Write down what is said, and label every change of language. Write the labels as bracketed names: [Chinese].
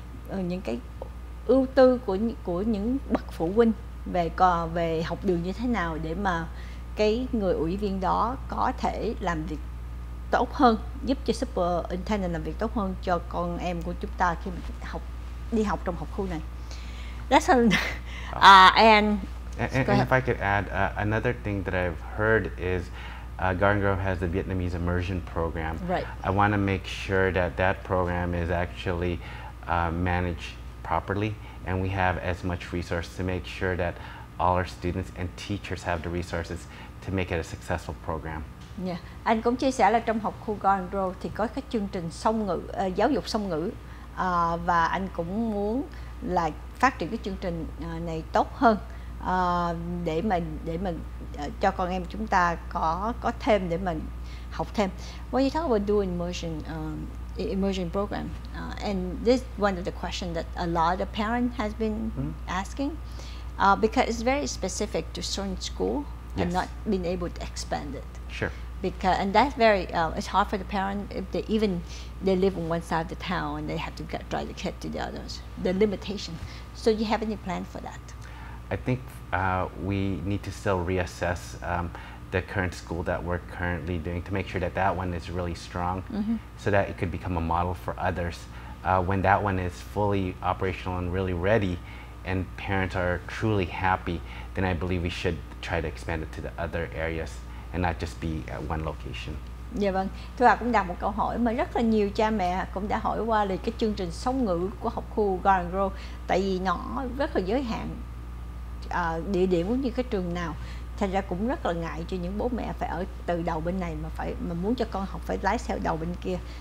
[Vietnamese] những cái ưu tư của những bậc phụ huynh về học đường như thế nào để mà cái người ủy viên đó có thể làm việc tốt hơn, giúp cho superintendent làm việc tốt hơn cho con em của chúng ta khi mà đi học trong học khu này. [English] That's a, and if I could add another thing that I've heard is Garden Grove has the Vietnamese immersion program. Right. I want to make sure that program is actually managed properly, and we have as much resource to make sure that all our students and teachers have the resources to make it a successful program. Yeah. [Vietnamese] Anh cũng chia sẻ là trong học khu Garden Grove thì có các chương trình song ngữ, giáo dục song ngữ, và anh cũng muốn là phát triển cái chương trình này tốt hơn để mà cho con em chúng ta có thêm để mình học thêm. [English] When you talk about doing immersion program, and this one of the questions that a lot of parents has been asking, because it's very specific to certain school and not been able to expand it. Sure. Because and that's very it's hard for the parent if they even they live on one side of the town and they have to get drive the kid to the others. The limitation. So do you have any plan for that? I think we need to still reassess the current school that we're currently doing to make sure that one is really strong, so that it could become a model for others. When that one is fully operational and really ready and parents are truly happy, then I believe we should try to expand it to the other areas and not just be at one location. [Vietnamese] Dạ vâng, Thu Hà cũng đặt một câu hỏi mà rất là nhiều cha mẹ cũng đã hỏi qua là cái chương trình song ngữ của học khu Garden Grove, tại vì nó rất là giới hạn địa điểm cũng như cái trường nào, thành ra cũng rất là ngại cho những bố mẹ phải ở từ đầu bên này mà muốn cho con học phải lái xe đầu bên kia.